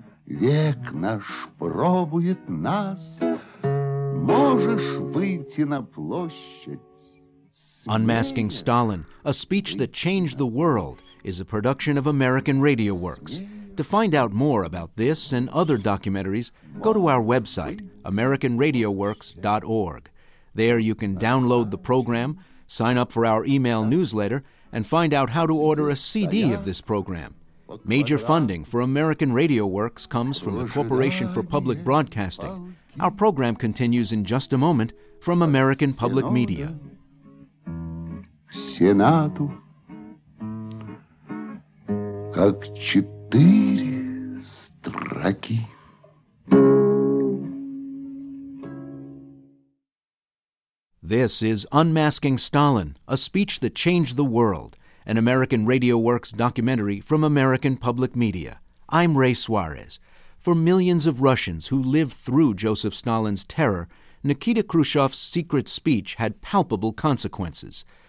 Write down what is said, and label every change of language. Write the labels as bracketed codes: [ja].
[ru] Век наш пробует нас, можешь выйти на площадь. [en] Unmasking Stalin, a speech that changed the world, is a production of American Radio Works. To find out more about this and other documentaries, go to our website, AmericanRadioWorks.org. There you can download the program, sign up for our email newsletter, and find out how to order a CD of this program. Major funding for American Radio Works comes from the Corporation for Public Broadcasting. Our program continues in just a moment from American Public Media. [ru] Сенату, как четыре строки. [en] This is Unmasking Stalin, a speech that changed the world, an American Radio Works documentary from American Public Media. I'm Ray Suarez. For millions of Russians who lived through Joseph Stalin's terror, Nikita Khrushchev's secret speech had palpable consequences.